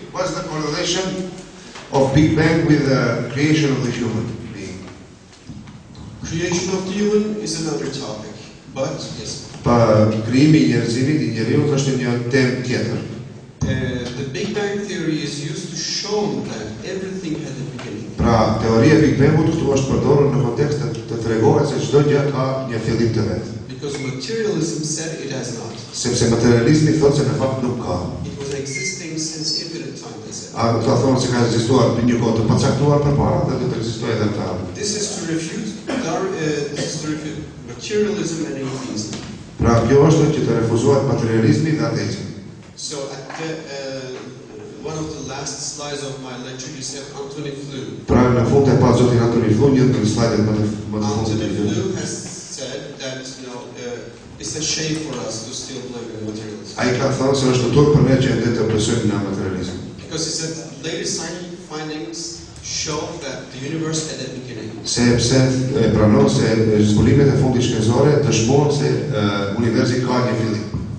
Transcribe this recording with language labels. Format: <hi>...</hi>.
<en>What's the correlation of Big Bang with the creation of the human being? Creation of the human is another topic, but yes.</en> <sq>Pa krijimi i njerëzimit i njeriu është një temë tjetër.</sq> <en>The Big Bang theory is used to show that everything had a beginning.</en> <sq>Pra teoria e Big Bang-ut këtu është përdorur në kontekst të tregohet se çdo gjë ka një fillim të vet.</sq> <en>Because materialism said it has not.</en> <sq>Sepse materializmi thotë se në fakt nuk ka.</sq> <en>It was existing since infinite time, they said.</en> <sq>A do të thonë se ka ekzistuar në një kohë të pacaktuar përpara dhe do të ekzistojë edhe më tepër.</sq> <en>This is to refute materialism and atheism.</en> <sq>Pra kjo është që të refuzohet materializmi dhe ateizmi.</sq> <en>So at the one of the last slides of my lecture you said Anthony Flew.</en> <sq>Pra në fund e pas zotin Anthony Flew një nga slajdet më të mëdha.</sq> <en>Anthony Flew has said that you know it's a shame for us to still believe in materialism.</en> <sq>Ai ka thënë se është turp për ne që ende të besojmë në materializëm.</sq> <en>Because he said the latest scientific findings show that the universe had a beginning.</en> <sq>Sepse e pranon se zbulimet e fundit shkencore dëshmojnë se universi ka një fillim.</sq>